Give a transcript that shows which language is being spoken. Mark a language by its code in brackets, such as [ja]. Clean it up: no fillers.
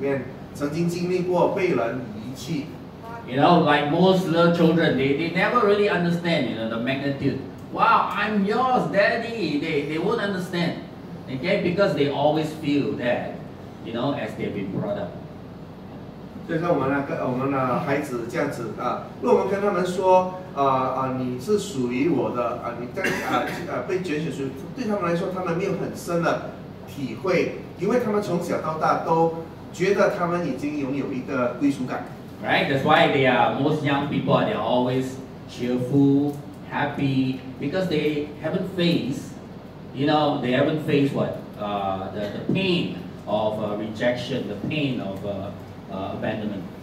[zh] 我们那时候我们很难意会去明白神他讲说我们被拣选成为属于他的那个真正的意思是什么，除非我们生命里面曾经经历过被人遗弃。 [en] You know, like most little children, they never really understand, you know, the magnitude. Wow, I'm yours, daddy. They won't understand. Okay, because they always feel that, you know, as they've been brought up. [zh] 就像我们那个孩子这样子，如果我们跟他们说，你是属于我的，你被拣选属于，对他们来说，他们没有很深的体会，因为他们从小到大都觉得他们已经拥有一个归属感。 [en] Right, that's why they are most young people. They are always cheerful, happy because they haven't faced, you know, they haven't faced what the pain of rejection, the pain of abandonment.